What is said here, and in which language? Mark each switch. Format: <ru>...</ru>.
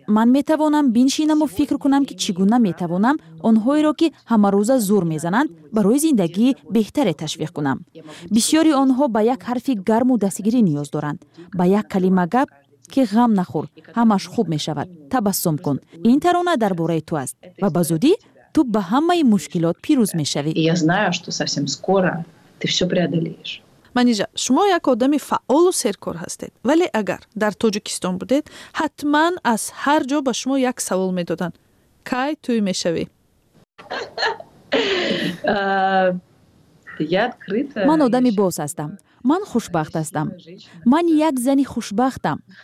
<fa>من می توانم بینشینم و فکر کنم که چگونه می توانم اونهایی را که همه روزه زور می زنند برای زندگی بهتر تشویق کنم. بسیاری آنها به یک حرف گرم و دستگیری نیاز دارند. به یک کلمه گپ که غم نخور. همش خوب می شود. تبسم کن. این ترانه در باره تو است. و به زودی تو به همه مشکلات پیروز می شوی.</fa> <ru>Я знаю, что совсем скоро ты все преодолеешь.</ru> <fa>منیجا شما یک آدم فعال و سرکار هستید. ولی اگر در تاجیکستان بودید حتما از هر جا به شما یک سوال می دادن. کی توی می شوی؟ من آدم باز هستم. من خوشبخت هستم. من یک زنی خوشبختم.</fa>